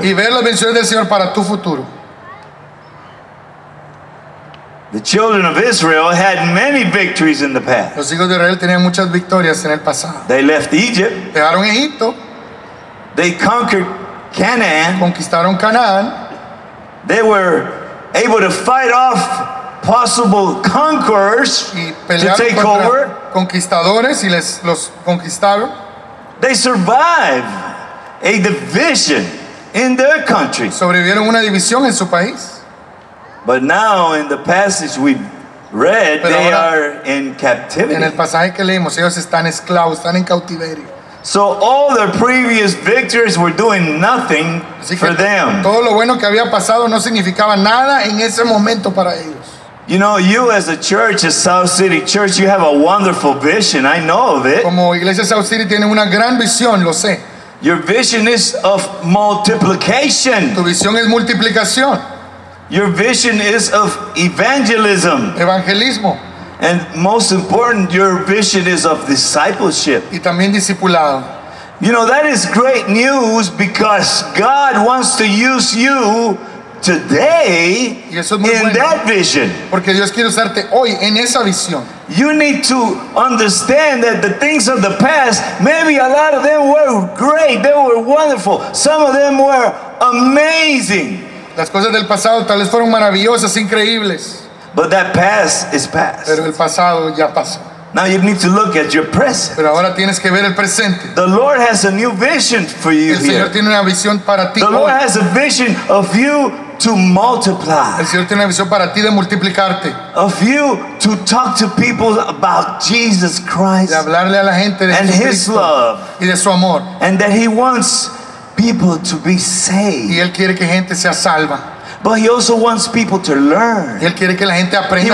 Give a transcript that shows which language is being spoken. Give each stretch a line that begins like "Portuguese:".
Spanish: Y ver las bendiciones del Señor para tu futuro.
English: The children of Israel had many victories in the past.
Spanish: Los hijos de Israel tenían muchas victorias en el pasado.
English: They left Egypt.
Spanish: Dejaron Egipto.
English: They conquered Canaan.
Spanish: Conquistaron Canaán.
English: They were able to fight off possible conquerors
Spanish: y pelearon
English: to take
Spanish: contra
English: over.
Spanish: Conquistadores y les, los conquistaron.
English: They survived a division in their country.
Spanish: Sobrevivieron una división en su país.
English: But now in the passage we read,
Spanish: ahora,
English: they are in captivity.
Spanish: En el pasaje que leímos, ellos están esclavos, están en cautiverio.
English: So all their previous victories were doing nothing
Spanish: así que
English: for them.
Spanish: Todo lo bueno que había pasado no significaba nada en ese momento para ellos.
English: You know, you as a church, a South City church, you have a wonderful vision. I know of it.
Spanish: Como iglesia South City tiene una gran visión, lo sé.
English: Your vision is of multiplication.
Spanish: Tu visión es multiplicación.
English: Your vision is of evangelism.
Spanish: Evangelismo.
English: And most important, your vision is of discipleship.
Spanish: Y también discipulado.
English: You know, that is great news because God wants to use you today in that vision.
Spanish: Porque Dios quiere usarte hoy en esa visión.
English: You need to understand that the things of the past, maybe a lot of them were great, they were wonderful. Some of them were amazing.
Spanish: Las cosas del pasado tal vez fueron maravillosas, increíbles.
English: But that past is past.
Spanish: Pero el pasado ya pasó.
English: Now you need to look at your present.
Spanish: Pero ahora tienes que ver el presente.
English: The Lord has a new vision for you here.
Spanish: El Señor tiene una visión para ti.
English: The Lord has a vision of you to multiply.
Spanish: El Señor tiene una visión para ti de multiplicarte.
English: Of you to talk to people about Jesus Christ.
Spanish: De hablarle a la gente de
English: and
Spanish: Jesucristo.
English: His love.
Spanish: Y de su amor.
English: And that he wants people to be saved.
Spanish: Y él quiere que gente sea salva.
English: But he also wants people to learn.
Spanish: Él quiere que la gente aprenda.